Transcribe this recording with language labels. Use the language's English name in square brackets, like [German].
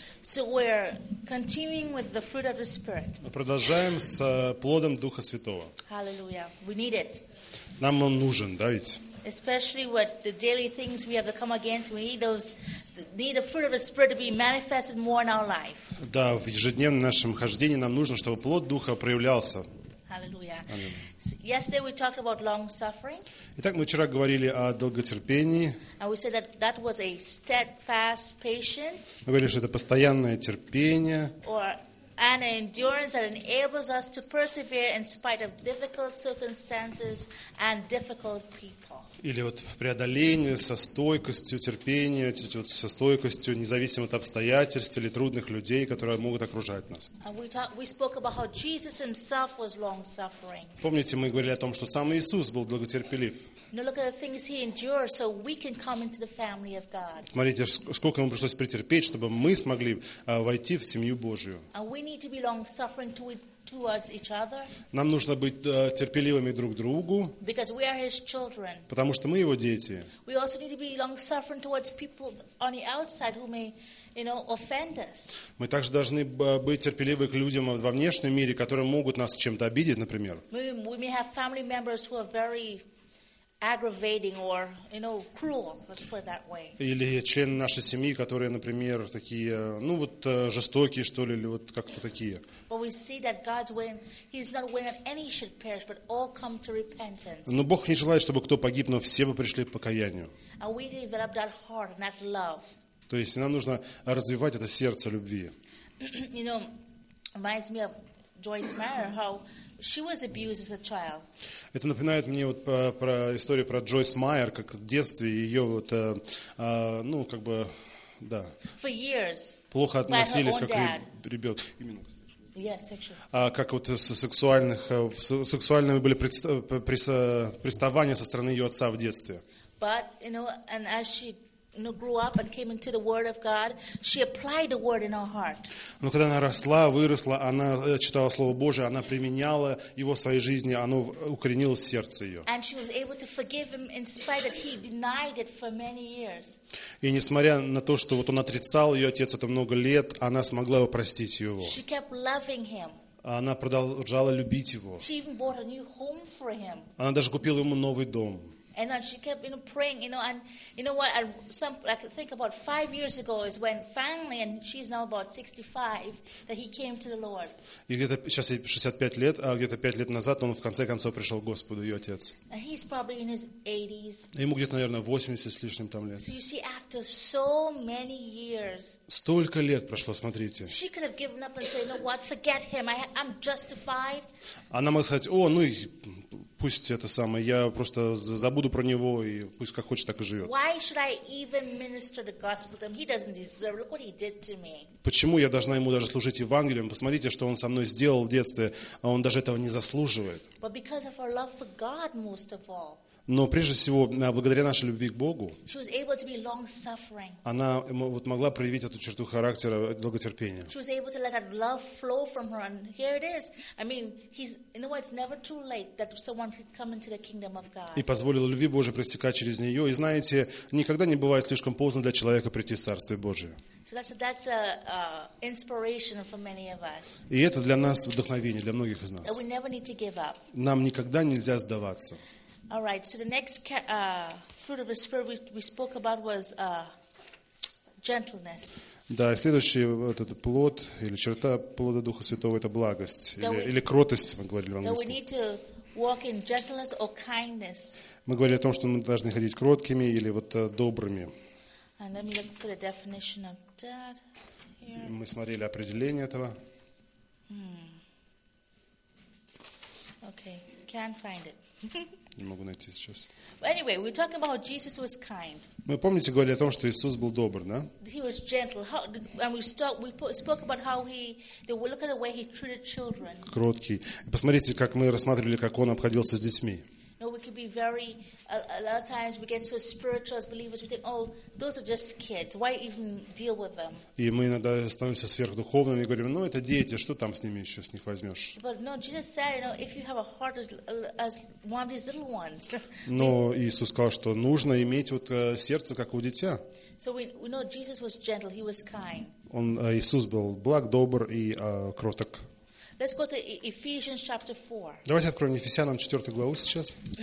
[English] So we're continuing with the fruit of the Spirit. [Russian] Мы продолжаем с плодом Духа Святого. [English] Hallelujah. We need it. [Russian] Нам он нужен, да ведь? [English] Especially with the daily things we have to come against, we need those need the fruit of the Spirit to be manifested more in our life. [Russian] Да, в ежедневном нашем хождении нам нужно, чтобы плод Духа проявлялся. [English] Hallelujah. So yesterday we talked about long suffering. [Russian] Итак, мы вчера говорили о долготерпении. [English] And we said that that was a steadfast patience. [Russian] Мы говорили, что это постоянное терпение. [English] And an endurance that enables us to persevere in spite of difficult circumstances and difficult people. [Russian] Или вот преодоление со стойкостью, терпение, вот со стойкостью, независимо от обстоятельств или трудных людей, которые могут окружать нас. [English] We spoke about how Jesus himself was long-suffering. [Russian] Помните, мы говорили о том, что сам Иисус был долготерпелив. [English] Now look at the things he endured so we can come into the family of God. [Russian] Смотрите, сколько ему пришлось претерпеть, чтобы мы смогли войти в семью Божию. [English] And we need to be long-suffering towards each other. [Russian] Нам нужно быть терпеливыми друг другу. [English] Because we are his children. [Russian] Потому что мы его дети. [English] We also need to be long-suffering towards people on the outside who may, you know, offend us. [Russian] Мы также должны быть терпеливы к людям во внешнем мире, которые могут нас чем-то обидеть, например. [English] We may have family members who are very aggravating or, you know, cruel, let's put it that way. [Russian] Или члены нашей семьи, которые, например, такие, ну вот, жестокие, что ли, или вот как-то такие. [English] But we see that God's willing, he's not willing that any should perish, but all come to repentance. [Russian] Но Бог не желает, чтобы кто погиб, но все бы пришли к покаянию. [English] And we develop that heart and that love. [Russian] То есть нам нужно развивать это сердце любви. [English] You know, reminds me of Joyce Meyer, how she was abused as a child. [Russian] Это напоминает мне вот про историю про Джойс Майер, как в детстве ее вот, ну, как бы, да. [English] For years. [Russian] Плохо относились, как ребенок. Именно. [English] Yes, actually. [Russian] Как вот сексуальными были приставания со стороны ее отца в детстве. [English] But, you know, and as she, you know, grew up and came into the Word of God, she applied the Word in her heart. [Russian] Но когда она росла, выросла, она читала Слово Божие, она применяла его в своей жизни, оно укоренилось в сердце ее. [English] And she was able to forgive him in spite that he denied it for many years. [Russian] И несмотря на то, что вот он отрицал ее отец это много лет, она смогла простить его. [English] She kept loving him. [Russian] Она продолжала любить его. [English] She even bought a new home for him. [Russian] Она даже купила ему новый дом. [English] And then she kept, you know, praying, you know, and you know what? I think about 5 years ago is when finally, and she's now about 65, that he came to the Lord. [Russian] И где-то сейчас 65 лет, а где-то 5 лет назад он в конце концов пришел к Господу, ее отец. [English] And he's probably in his 80s. [Russian] Ему где-то, наверное, 80 с лишним там лет. [English] So you see, after so many years. [Russian] Столько лет прошло, смотрите. [English] She could have given up and said, you know what? Forget him. I'm justified. [Russian] Она могла сказать: о, ну и пусть это самое, я просто забуду про него, и пусть как хочет, так и живет. [English] Why should I even minister the gospel to him? He doesn't deserve it. Look what he did to me. [Russian] Почему я должна ему даже служить Евангелием? Посмотрите, что он со мной сделал в детстве, а он даже этого не заслуживает. [English] But because of our love for God, most of all. [Russian] Но прежде всего, благодаря нашей любви к Богу, [English] she was able to be long-suffering. [Russian] Она вот могла проявить эту черту характера долготерпения. [English] She was able to let that love flow from her, and here it is. I mean, he's, you know what, it's never too late that someone could come into the kingdom of God. [Russian] И позволила любви Божией протекать через нее. И знаете, никогда не бывает слишком поздно для человека прийти в Царствие Божие. [English] So that's a inspiration for many of us. [Russian] И это для нас вдохновение, для многих из нас. [English] That we never need to give up. [Russian] Нам никогда нельзя сдаваться. [English] All right. So the next fruit of the Spirit we spoke about was gentleness. [Russian] Да, следующий вот этот плод или черта плода Духа Святого это благость или кротость, мы говорили в английском. [English] That we need to walk in gentleness or kindness. [Russian] Мы говорили о том, что мы должны ходить кроткими или вот добрыми. [English] And let me look for the definition of that here. [Russian] Мы смотрели определение этого. [English] Okay, can't find it. [Russian] Не могу найти сейчас. [English] Anyway, we're talking about how Jesus was kind. [Russian] Мы помните, говорили о том, что Иисус был добр, да? [English] He was gentle. We spoke about how he, look at the way he treated children. [Russian] Кроткий. Посмотрите, как мы рассматривали, как он обходился с детьми. [English] You know, we can be very, a lot of times we get so spiritual as believers, we think, oh, those are just kids, why even deal with them? [Russian] И мы иногда становимся сверхдуховными и говорим, ну, это дети, что там с ними еще с них возьмешь? [English] But no, Jesus said, you know, if you have a heart as one of these little ones. [Russian] Но Иисус сказал, что нужно иметь вот сердце, как у дитя. [English] So we know Jesus was gentle, he was kind. [Russian] Он, Иисус был благ, добр и кроток. [English] Let's go to Ephesians chapter 4. [Russian] Давайте откроем Ефесянам 4 главу сейчас.